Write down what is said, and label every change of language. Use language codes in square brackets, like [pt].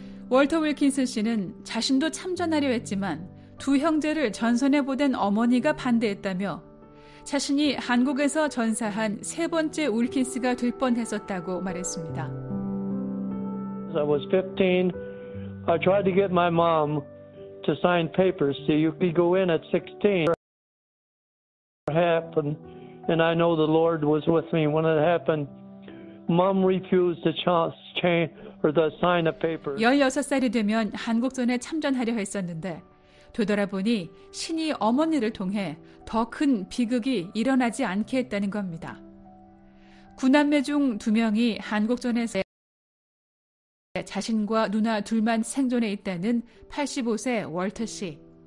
[ko] 월터 윌킨스 씨는 자신도 참전하려 했지만 두 형제를 전선에 보낸 어머니가 반대했다며 자신이 한국에서 전사한 세 번째 윌킨스가 될 뻔했었다고 말했습니다. [en] I was 15. I tried to get my mom to sign papers so you could go in at 16. It happened, and I know the Lord was with me when it happened. Mom refused to change or to sign a paper. [ko] 16살이 되면 한국전에 참전하려 했었는데 되돌아보니 신이 어머니를 통해 더 큰 비극이 일어나지 않게 했다는 겁니다. 9남매 중 두 명이 한국전에서 자신과 누나 둘만 생존해 있다는 85세 월터 씨.